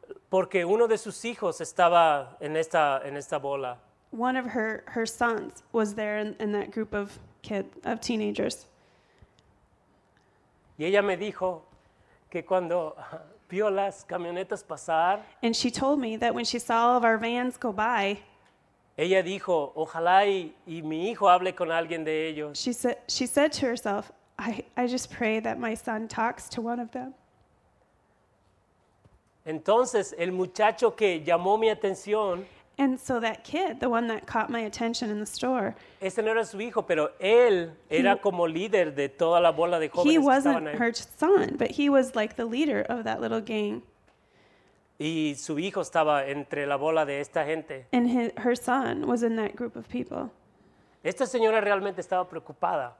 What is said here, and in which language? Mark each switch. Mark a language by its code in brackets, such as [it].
[es] Porque uno de sus hijos estaba en esta bola. [en] One of her sons was there in that group of teenagers. [es] Y ella me dijo que cuando vio las camionetas pasar, [en] and she told me that when she saw all of our vans go by, [es] ella dijo, ojalá y mi hijo hable con alguien de ellos. [en] She said to herself, I just pray that my son talks to one of them. [es] Entonces, el muchacho que llamó mi atención, [en] and so that kid, the one that caught my attention in the store, [es] ese no era su hijo, pero él era como líder de toda la bola de jóvenes que estaban ahí. He [en] wasn't her son, but he was like the leader of that little gang. [es] Y su hijo estaba entre la bola de esta gente. [en] And her son was in that group of people. [es] Esta señora realmente estaba preocupada.